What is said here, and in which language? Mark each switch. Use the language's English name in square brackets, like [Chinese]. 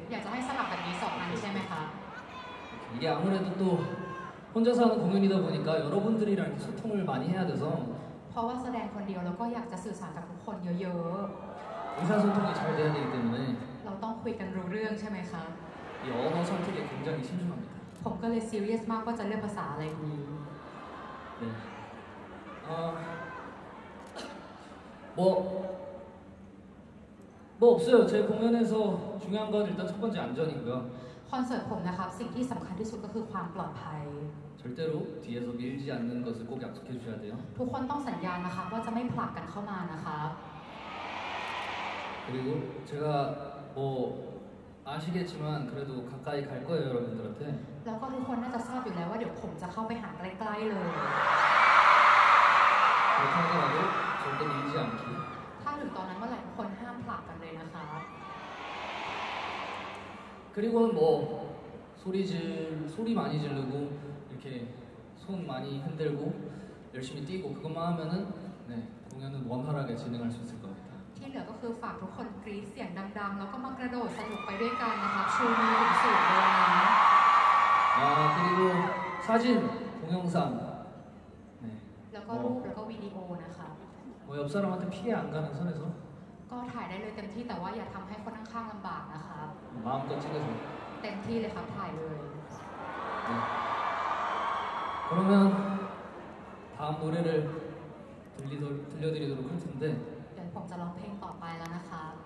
[Thai] อยากจะให้สลับแบบนี้สองอันใช่ไหมคะ [Korean] เนี่ย아무래도또혼자서하는공연이다보니까여러분들이랑소통을많이해야돼서 [Thai] เพราะว่าแสดงคนเดียวแล้วก็อยากจะสื่อสารกับทุกคนเยอะ [Korean] ๆ의사소통이잘돼야되기때문에 [Thai] เราต้องคุยกันรู้เรื่องใช่ไหมคะ [Korean] 이언어선택에굉장히신중합니다 [Thai] ผมก็เลยซีเรียสมากว่าจะเลือกภาษาอะไรดี เนี [Korean] ย뭐없어요제공연에서중요한건일단첫번째안전인가요 [Thai] 콘서트ผมนะครับสิ่งที่สําคัญที่สุดก็คือความปลอดภัย [Korean] 절대로뒤에서밀지않는것을꼭약속해주셔야돼요 [Thai] ทุกคนต้องสัญญานะคะว่าจะไม่ผลักกันเข้ามานะครับ [Korean] 그리고제가뭐아시겠지만그래도가까이갈거예요여러분들한테 [Thai] แล้วก็ทุกคนน่าจะทราบอยู่แล้วว่าเดี๋ยวผมจะเข้าไปหาใกล้ๆเลย โอเคครับจะมีจังคิ ถ้าถึงตอนนั้นเมื่อไหร่คนห้ามผลักกันเลยนะคะ [Korean] 그리고는뭐소리질소리많이지르고이렇게손많이흔들고열심히뛰고그것만하면은네공연은원활하게진행할수있을겁니다 [Thai] ที่เหลือก็คือฝากทุกคนกรี๊ดเสียงดังๆแล้วก็มากระโดดสนุกไปด้วยกันนะคะชูมือถึงสุดเลยนะ [Korean] 그리고사진동영상네 [Thai] แล้วก็รูปแล้วก็วิดีโอนะคะ [Korean] 뭐옆사람한테피해안가는선에서 [Thai] ก็ถ่ายได้เลยเต็มที่แต่ว่าอย่าทําให้คนข้างๆลําบากนะคะ มามก็ชิลๆ เต็มที่เลยครับถ่ายเลย [Korean] 그러면다음노래를들리도록들려드리도록할텐데 [Thai] เดี๋ยวผมจะร้องเพลงต่อไปแล้วนะคะ